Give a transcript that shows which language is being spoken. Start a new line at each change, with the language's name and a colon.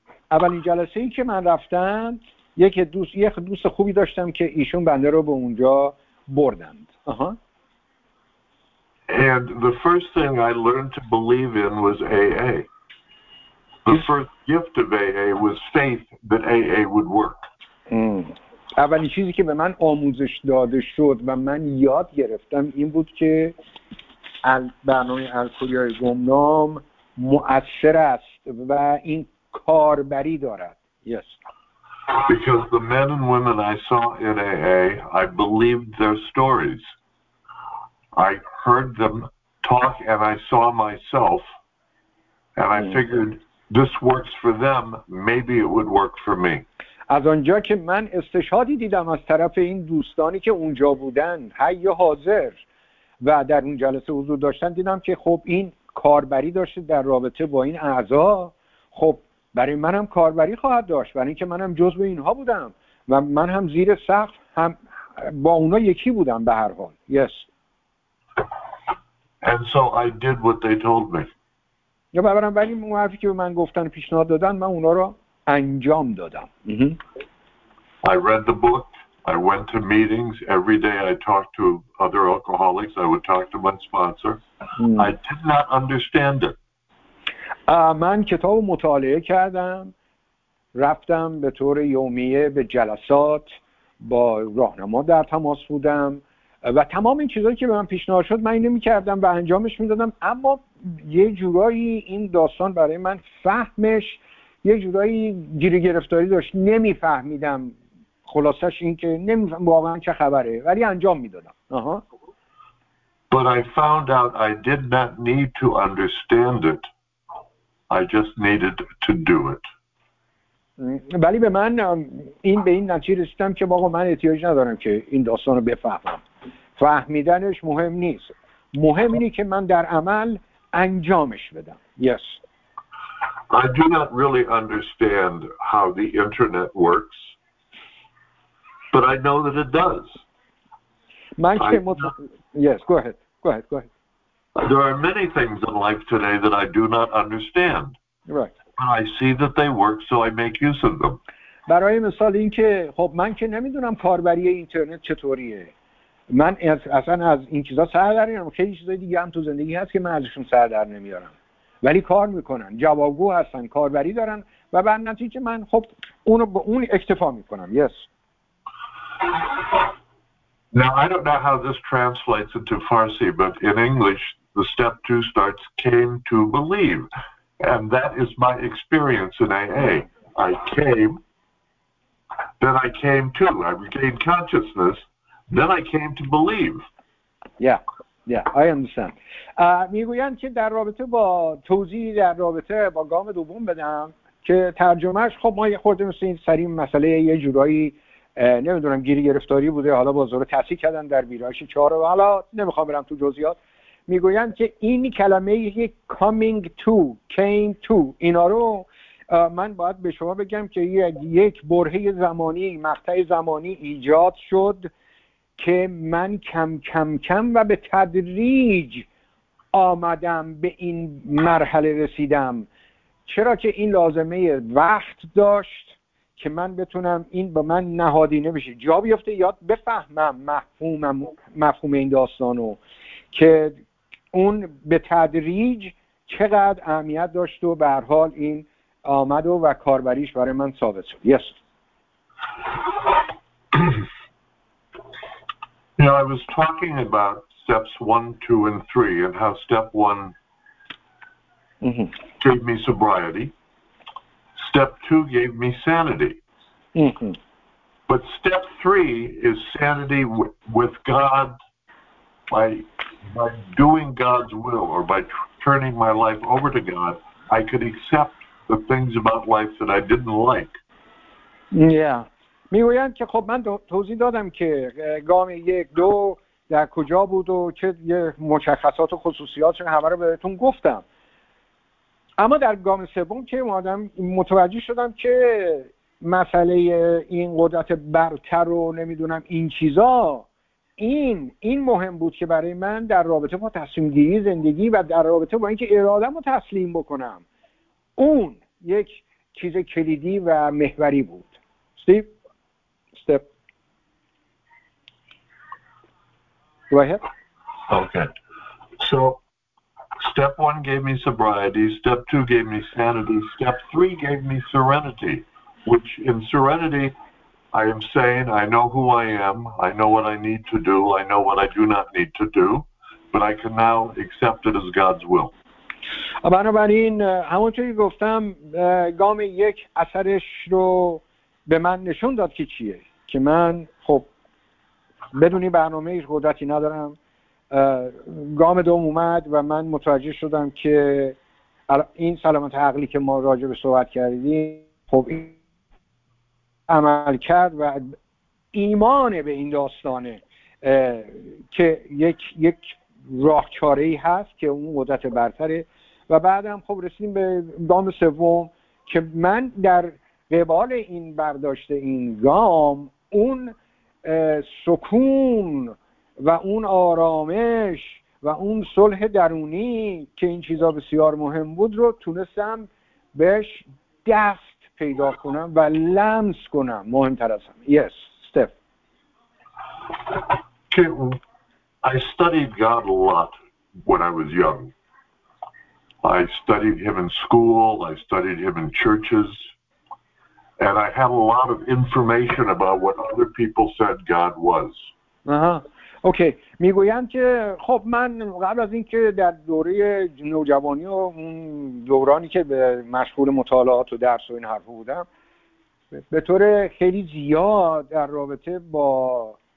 Persian: اولین جلسه ای که من رفتم یک دوست خوبی داشتم که ایشون بنده رو به اونجا بردند.
English: And the first thing I learned to believe in was AA. The first gift of AA was faith that AA would work.
Persian: اولین چیزی که به من آموزش داده شد و من یاد گرفتم این بود که برنامه الکوریای گمنام مؤثر است و این کاربری دارد.
English: Yes. Because the men and women I saw in AA, I believed their stories. I heard them talk and I saw myself and I figured this works for them, maybe it would work for me.
Persian: از آنجا که من استشهادی دیدم از طرف این دوستانی که اونجا بودن حی حاضر و در اون جلسه حضور داشتن، دیدم که خب این کاربری داشته در رابطه با این اعضا، خب برای منم کاربری خواهد داشت، برای اینکه منم جزء اینها بودم و من هم زیر سقف هم با اونا یکی بودم به هر حال.
English: Yes. And so I did what they told me.
Persian: یا ببرم ولی اون حرفی که به من گفتن پیشنهاد دادن من اونا را انجام دادم.
English: I read the book. I went to meetings. Every day I talked to other alcoholics. I would talk to my sponsor. I did not understand it.
Persian: من کتاب مطالعه کردم، رفتم به طور یومیه به جلسات، با راهنما در تماس بودم و تمام این چیزایی که به من پیشنهاد شد من اینو می‌کردم و انجامش می‌دادم، اما یه جورایی این داستان برای من فهمش یه جورایی گیری گرفتاری داشت، نمی‌فهمیدم. خلاصش این که نمی‌فهمم واقعا چه خبره، ولی انجام می‌دادم. آها.
English: But I found out I did not need to understand it. I just needed to do it.
Persian: ولی به من این به این نتیجه رسیدم که واقعا من احتیاج ندارم که این داستان رو بفهمم. فهمیدنش مهم نیست. مهم اینه که من در عمل انجامش بدم.
English: Yes. I do not really understand how the internet works, but I know that it does. Go ahead. There are many things in life today that I do not understand. Right. But I see that they work, so I make use of them.
Persian: برای مثال این که خب من که نمیدونم کاربری اینترنت چطوریه. من اصلا از این چیزا سر در نمیارم. خیلی چیزای دیگه هم تو زندگی هست که من ازشون سر در نمیارم. ولی کار میکنن، جوابگو هستن، کاربری دارن و بر نتیجه من خب اونو به اون اکتفا میکنم.
English: Yes. Now, I don't know how this translates into Farsi, but in English, the step two starts, came to believe. And that is my experience in AA. I came, then I came to, I regained consciousness, then I came to believe. Yeah, I understand.
Persian: میگویند که در رابطه با توضیح در رابطه با گام دوم بدم که ترجمهش خب ما یه خورده مثل این سری مسئله یه جورایی نمیدونم گیری گرفتاری بوده، حالا بازارو تصحیح کردن در ویرایش 4 و حالا نمیخوام برم تو جزئیات. میگویند که این کلمه
English: coming to، came to،
Persian: اینا رو من باید به شما بگم که یک برهه زمانی، مقطع زمانی ایجاد شد که من کم کم کم و به تدریج آمدم به این مرحله رسیدم، چرا که این لازمه وقت داشت که من بتونم این با من نهادینه بشه، جا بیفته، یاد بفهمم مفهوم این داستانو که اون به تدریج چقدر اهمیت داشت و به هر حال این آمد و کاربریش برای من ثابت شد.
English: Yes. You know, I was talking about steps 1, 2, and 3 and how step 1 gave me sobriety. Step 2 gave me sanity. But step 3 is sanity with God, by doing God's will or by turning my life over to God. I could accept the things about life that I didn't like. Yeah.
Persian: میگویند که خب من توضیح دادم که گام 1, 2 در کجا بود و چه مشخصات و خصوصیات رو همه رو بهتون گفتم، اما در گام 3 که اومدم متوجه شدم که مسئله این قدرت برتر رو نمیدونم این چیزا، این مهم بود که برای من در رابطه با تصمیم گیری زندگی و در رابطه با اینکه ارادم رو تسلیم بکنم، اون یک چیز کلیدی و محوری بود.
English: استیو Step. Go ahead. Okay. So, step 1 gave me sobriety, step 2 gave me sanity, step 3 gave me serenity, which in serenity, I am saying, I know who I am, I know what I need to do, I know what I do not need to do, but I can now accept it as God's will.
Persian: بنابراین همونطوری که گفتم گام یک اثرش رو به من نشون داد که چیه، که من خب بدون این برنامه هیچ قدرتی ندارم. گام دوم اومد و من متوجه شدم که این سلامت عقلی که ما راجع به صحبت کردیم خب این عمل کرد و ایمان به این داستانه که یک راه چاره‌ای هست که اون قدرت برتره. و بعدم خب رسیدیم به گام سوم که من در قبال این برداشت این گام اون سکون و اون آرامش و اون صلح درونی که این چیزا بسیار مهم بود رو تونستم بهش دست پیدا کنم و لمس کنم. مهمتر از هم
English: yes
Persian: Steph
English: I studied God a lot when I was young. I studied him in school, I studied him in churches, and I had a lot of information about what other people said God was. Okay.
Persian: میگویند که خب من قبل از اینکه در دوره نوجوانی و دورانی که به مشغول مطالعات و درس و این حرف بودم به طور خیلی زیاد در رابطه با